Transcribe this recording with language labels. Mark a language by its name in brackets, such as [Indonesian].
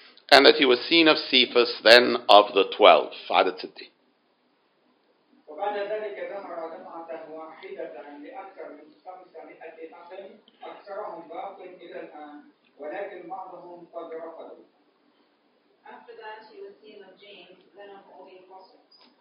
[English] And that he was seen of Cephas, then of the 12. [Arabic] عدد 6. وبعد ذلك جمع جمعة واحدة لأكثر من 500 نفر أكثرهم باقٍ إلى الآن ولكن بعضهم قد رفضوا. [English] After that he was seen of James, then of all the apostles.